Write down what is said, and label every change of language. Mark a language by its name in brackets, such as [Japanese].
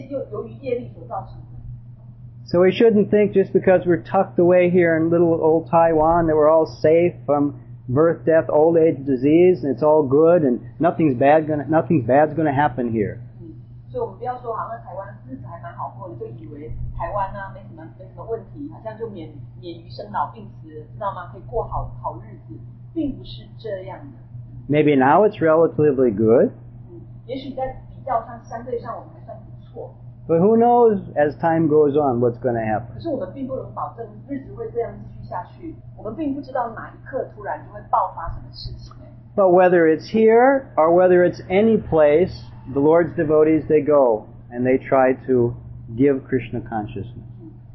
[English] So we shouldn't think just because we're tucked away here in little old Taiwan that we're all safe from birth, death, old age, disease, and it's all good and nothing bad's gonna happen here. [Chinese] 所以我们不要说好像台湾日子还蛮好过的，就以为台湾呢、啊、没什么问题，好像就免于生老病死，知道吗？可以过好日子，并不是这样的。 [English] Maybe now it's relatively good. [Chinese] 也许在比较上相对上我们还算不错。 [English] But who knows as time goes on what's going to happen? [Chinese] 可是我们并不能保证日子会这样继续下去，我们并不知道哪一刻突然就会爆发什么事情。 [English] But whether it's here or whether it's any place. The Lord's devotees, they go and they try to give Krishna consciousness.